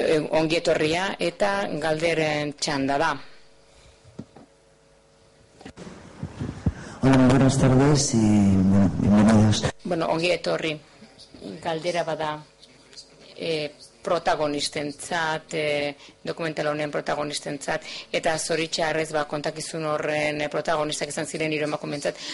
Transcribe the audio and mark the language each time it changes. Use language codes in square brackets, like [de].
[eu] Ongi etorria eta galderen txanda da. [es] Hola, buenas tardes y bienvenidos. [eu] Bueno, ongi etorri. Galdera bada. protagonistentzat, dokumental honen protagonistentzat, eta zoritxarrez ba, kontakizun horren protagonistak izan ziren hiru emakumeentzat.